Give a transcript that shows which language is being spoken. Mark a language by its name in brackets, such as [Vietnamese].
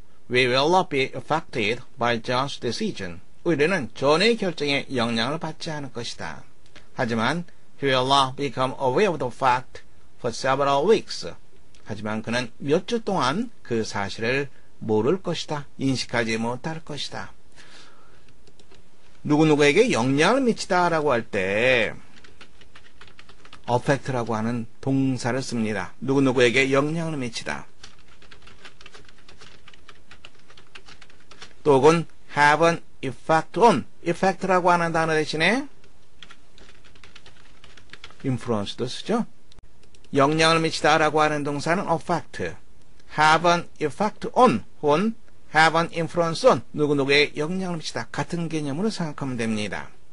[English] We will not be affected by John's decision. [Korean] 우리는 존의 결정에 영향을 받지 않을 것이다. 하지만 [English] he will not become aware of the fact for several weeks. [Korean] 하지만 그는 몇 주 동안 그 사실을 모를 것이다. 인식하지 못할 것이다. 누구누구에게 영향을 미치다 라고 할 때 affect라고 하는 동사를 씁니다. 누구누구에게 영향을 미치다. 또는 [English] have an effect on. [Korean] effect라고 하는 단어 대신에 influence도 쓰죠. 영향을 미치다 라고 하는 동사는 affect. [English] have an effect on. on. have an influence on. [Korean] 누구누구의 영향을 미치다. 같은 개념으로 생각하면 됩니다.